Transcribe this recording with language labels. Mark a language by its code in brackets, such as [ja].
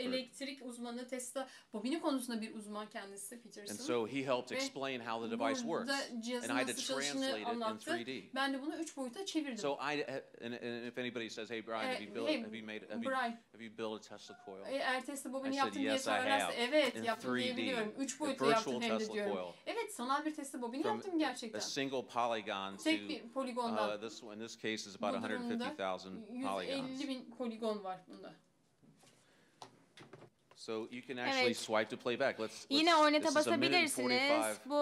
[tr] Elektrik uzmanı, Tesla bobini konusunda bir uzman kendisi Peterson. [en] And so he helped explain how the device works. And I had to translate it in 3D. [tr] Ben de bunu 3 boyuta çevirdim. [en] So I, and if anybody says, hey Brian, have you built a Tesla coil? [tr] Eğer Tesla bobini yaptın diye sorarsa, evet yaptım diyebiliyorum. 3 boyutu yaptım hem de diyorum. Evet, sanal bir Tesla bobini yaptım gerçekten. [en] A single polygon to this one, in this case is about 150,000 polygons. So you can actually swipe to playback. Let's this is a minute 45